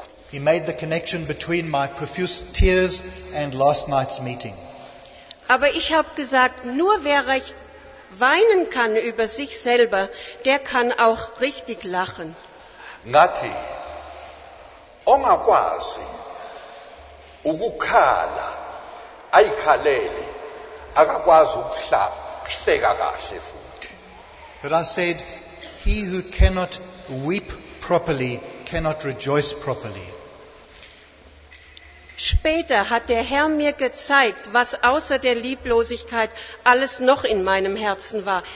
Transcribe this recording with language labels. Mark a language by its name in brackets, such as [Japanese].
[English] He made the connection between my profuse tears and last night's meeting. [German] Aber ich habe gesagt, nur wer recht weinen kann über sich selber, der kann auch richtig lachen. [Zulu] Ngathi, ongakwazi ukukhala, ayikhaleli, akakwazi ukuhleka kahle futhi. [English] But I said, he who cannot weep properly cannot rejoice properly. [German] Später hat der Herr mir gezeigt, was außer der Lieblosigkeit alles noch in meinem Herzen war.